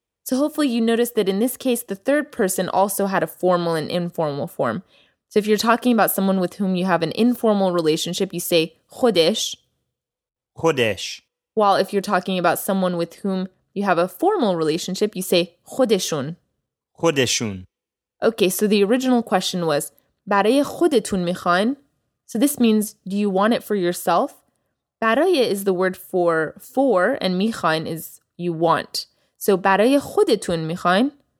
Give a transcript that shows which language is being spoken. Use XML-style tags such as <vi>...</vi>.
<en>So hopefully you noticed that in this case, the third person also had a formal and informal form. So if you're talking about someone with whom you have an informal relationship, you say خودش.</en> <fa>خودش.</fa> <en>While if you're talking about someone with whom you have a formal relationship, you say خودشون.</en> <fa>خودشون.</fa> <en>Okay, so the original question was,</en> <fa>برای خودتون میخواین?</fa> <en>So this means, do you want it for yourself? برای is the word for, and میخواین is you want. So</en> <fa>برای خودتون میخواین?</fa>